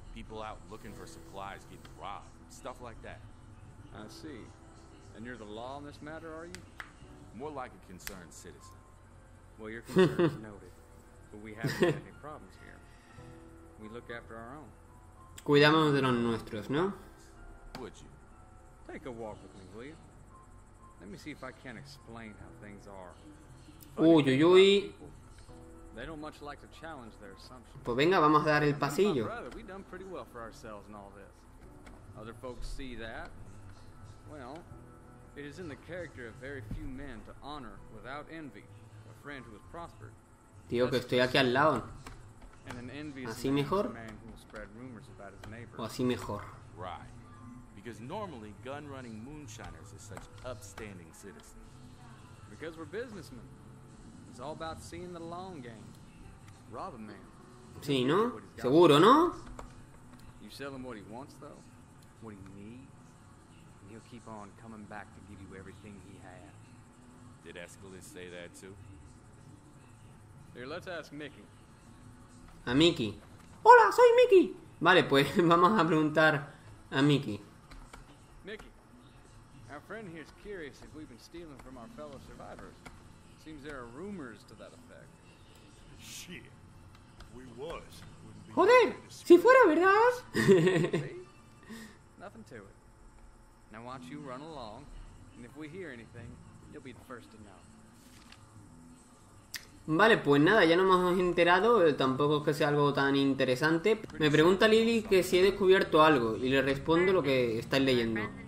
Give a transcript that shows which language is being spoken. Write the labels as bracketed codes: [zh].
[en] Out looking for supplies, getting robbed, stuff like that. I see. And you're the law in this matter, are you? More like a concerned citizen. Well, your concerns noted, but we haven't had any problems here. We look after our own. [es] Cuidamos de los nuestros, ¿no? [en] Would you? Take a walk with me, will you? Let me see if I can explain how things are. Uy, uy, uy. They don't much like to challenge their assumptions. [es] Pues venga, vamos a dar el pasillo. [en] Brother, we've done pretty well for ourselves in all this. Other folks see that. Well, it is in the character of very few men to honor without envy a friend who has prospered. [es] Tío, que estoy aquí al lado. [en] And an envious [es] ¿Así mejor? [en] man who will spread rumors about his neighbor. [es] ¿O así mejor? [en] Right. Because normally gun-running moonshiners are such upstanding citizens. Because we're businessmen. It's all about seeing the long game. Rob a man. [es] Sí, ¿no? Seguro, ¿no? [en] You sell him what he wants, though. What he needs. And he'll keep on coming back to give you everything he has. Did Escalus say that, too? Here, let's ask Mickey. [es] A Mickey. ¡Hola, soy Mickey! Vale, pues vamos a preguntar a Mickey. [en] Mickey, our friend here is curious if we've been stealing from our fellow survivors. Seems there are rumors to that effect. Shit. We was. [es] Joder, si fuera verdad. [en] See? Nothing to it. Now watch you run along, and if we hear anything, you'll be the first to know. [es] Vale, pues nada, ya no me hemos enterado, tampoco es que sea algo tan interesante. Me pregunta Lily que si he descubierto algo, y le respondo lo que estáis leyendo.